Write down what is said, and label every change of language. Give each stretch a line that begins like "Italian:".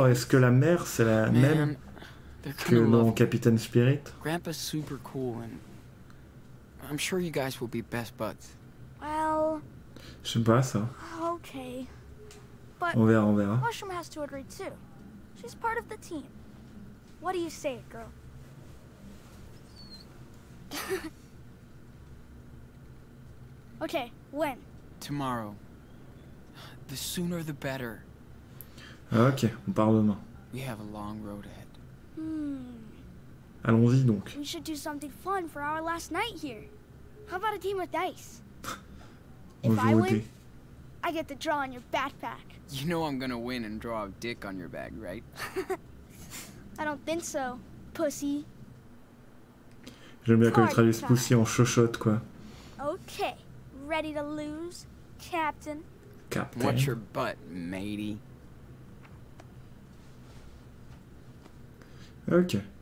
French: Oh, est-ce que la mère, c'est la même que mon Capitaine Spirit?
English: Grandpa's super cool and I'm sure you guys will be best buds. Well,
French: je sais pas ça.
English: Okay. But
French: on verra.
English: Mushroom has to agree too. She's part of the team. What do you say, girl? Okay, when? Tomorrow. The sooner the better.
French: Ok, on part demain.
English: We have a long road ahead.
French: Allons-y donc.
English: We should do something fun for our last night here. How about a game of dice? If I win, I get to draw on your backpack. You know I'm gonna win and draw a dick on your bag, right? I don't think so, pussy.
French: J'aime bien quand ils traduisent pussy en chochotte, quoi.
English: Okay, ready to lose, Captain. Captain. Watch your butt, matey. Ok.